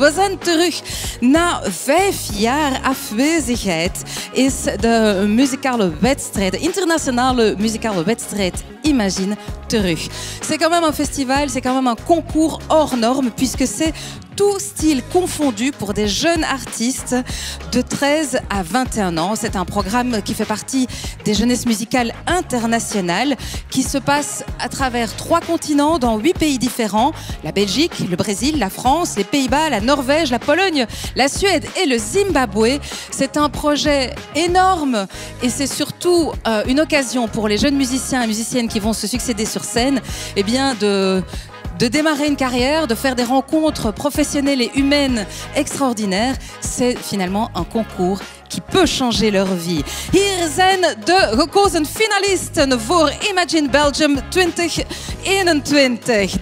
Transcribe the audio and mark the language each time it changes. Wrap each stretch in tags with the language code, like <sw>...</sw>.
<nl>We zijn terug na 5 jaar afwezigheid. Is de muzikale wedstrijd, de internationale muzikale wedstrijd Imagine terug.</nl> <fr>C'est quand même un festival, c'est quand même un concours hors norme puisque c'est tout style confondu pour des jeunes artistes de 13 à 21 ans. C'est un programme qui fait partie des jeunesses musicales internationales qui se passe à travers 3 continents dans 8 pays différents. La Belgique, le Brésil, la France, les Pays-Bas, la Norvège, la Pologne, la Suède et le Zimbabwe. C'est un projet énorme et c'est surtout une occasion pour les jeunes musiciens et musiciennes qui vont se succéder sur scène, eh bien de démarrer une carrière, de faire des rencontres professionnelles et humaines extraordinaires. C'est finalement un concours qui peut changer leur vie.</fr> <nl>Hier zijn de gekozen finalisten voor Imagine Belgium 2021.</nl>